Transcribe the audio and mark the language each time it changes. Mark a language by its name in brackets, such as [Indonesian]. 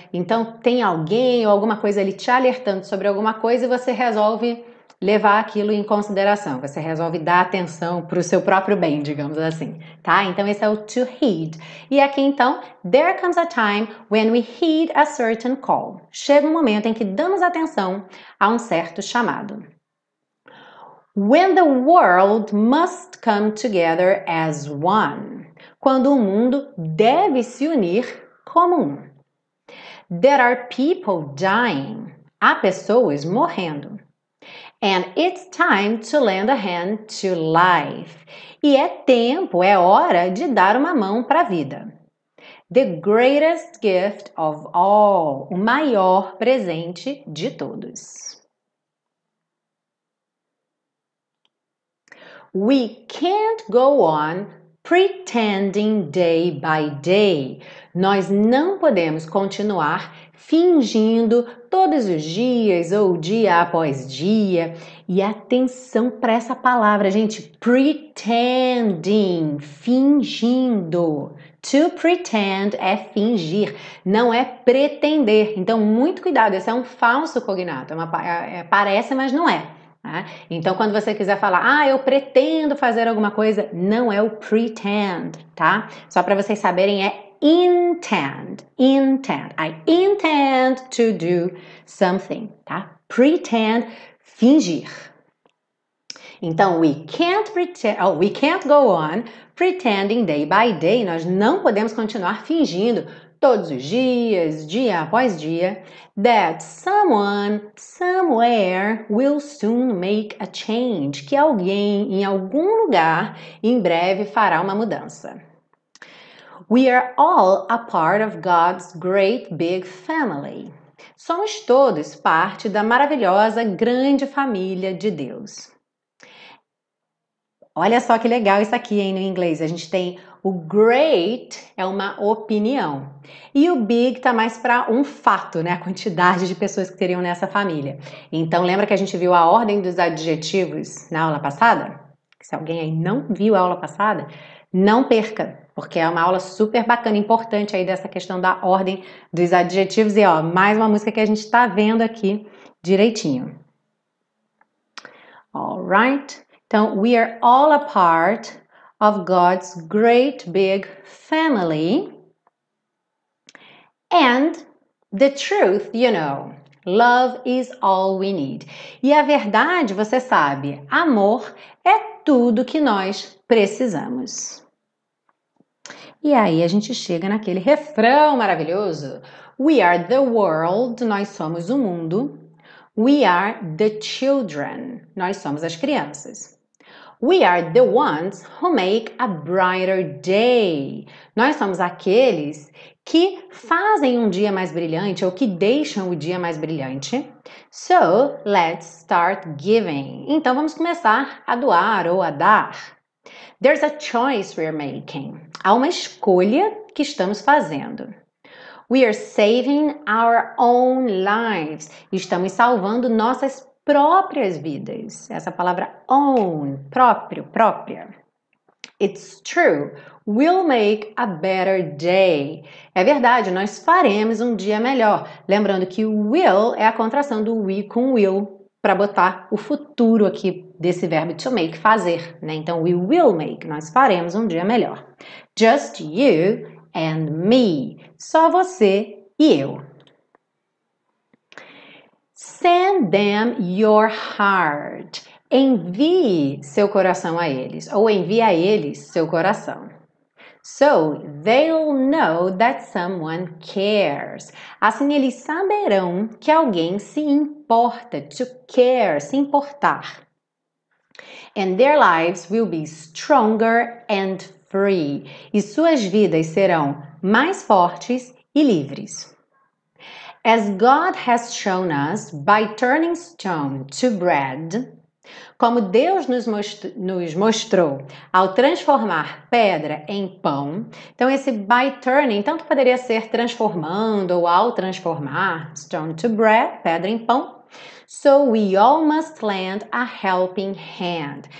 [Portuguese] Então tem alguém ou alguma coisa ali te alertando sobre alguma coisa e você resolve levar aquilo em consideração. Você resolve dar atenção para o seu próprio bem, digamos assim. Tá? Então esse é o to heed. E aqui então, [English] there comes a time when we heed a certain call. [Portuguese] Chega um momento em que damos atenção a um certo chamado. [English] When the world must come together as one. [Portuguese] Quando o mundo deve se unir como um. [English] There are people dying. [Portuguese] Há pessoas morrendo. [English] And it's time to lend a hand to life. [Portuguese] E é tempo, é hora de dar uma mão para a vida. [English] The greatest gift of all. [Portuguese] O maior presente de todos. [English] We can't go on pretending day by day. [Portuguese] Nós não podemos continuar fingindo todos os dias ou dia após dia. E atenção para essa palavra, gente. Pretending, fingindo. To pretend é fingir, não é pretender. Então, muito cuidado, esse é um falso cognato. Parece, mas não é. Tá? Então, quando você quiser falar, eu pretendo fazer alguma coisa, não é o pretend, tá? Só para vocês saberem, é intend. [English] I intend to do something, tá? [Portuguese] Pretend, fingir. [English] Então, we can't go on pretending day by day. [Portuguese] Nós não podemos continuar fingindo todos os dias, dia após dia, [English] that someone, somewhere, will soon make a change. [Portuguese] Que alguém, em algum lugar, em breve fará uma mudança. [English] We are all a part of God's great big family. [Portuguese] Somos todos parte da maravilhosa grande família de Deus. Olha só que legal isso aqui, hein, no inglês. A gente tem o great, é uma opinião. E o big tá mais para um fato, né? A quantidade de pessoas que teriam nessa família. Então, lembra que a gente viu a ordem dos adjetivos na aula passada? Se alguém aí não viu a aula passada, não perca, porque é uma aula super bacana, importante aí dessa questão da ordem dos adjetivos. E ó, mais uma música que a gente tá vendo aqui direitinho. [English] All right. Então, we are all a part of God's great big family. And the truth, you know, love is all we need. [Portuguese] E a verdade, você sabe, amor é tudo que nós precisamos. E aí a gente chega naquele refrão maravilhoso. [English] We are the world, [Portuguese] nós somos o mundo. [English] We are the children. [Portuguese] Nós somos as crianças. [English] We are the ones who make a brighter day. [Portuguese] Nós somos aqueles que fazem um dia mais brilhante ou que deixam o dia mais brilhante. [English] So, let's start giving. [Portuguese] Então, vamos começar a doar ou a dar. [English] There's a choice we're making. [Portuguese] Há uma escolha que estamos fazendo. [English] We are saving our own lives. [Portuguese] Estamos salvando nossas próprias vidas. Essa palavra own, próprio, própria. [English] It's true. We'll make a better day. [Portuguese] É verdade, nós faremos um dia melhor. Lembrando que will é a contração do we com will para botar o futuro aqui desse verbo to make, fazer, né? [English] Então, we will make, [Portuguese] nós faremos um dia melhor. [English] Just you and me. [Portuguese] Só você e eu. [English] Send them your heart. [Portuguese] Envie seu coração a eles. Ou envie a eles seu coração. [English] So, they'll know that someone cares. [Portuguese] Assim, eles saberão que alguém se importa. To care, se importar. [English] And their lives will be stronger and free. [Portuguese] E suas vidas serão mais fortes e livres. [English] As God has shown us by turning stone to bread, [Portuguese] como Deus nos mostrou ao transformar pedra em pão, então esse by turning, tanto poderia ser transformando ou ao transformar stone to bread, pedra em pão, [English] so we all must lend a helping hand.